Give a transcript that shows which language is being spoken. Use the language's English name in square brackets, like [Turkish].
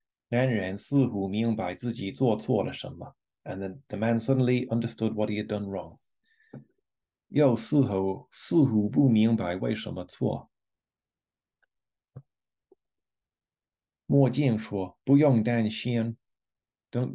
[Chinese] 男人似乎明白自己做错了什么。 [English] And then the man suddenly understood what he had done wrong. [Chinese] 又似乎不明白为什么错。墨镜说,不用担心。 [English] Don't,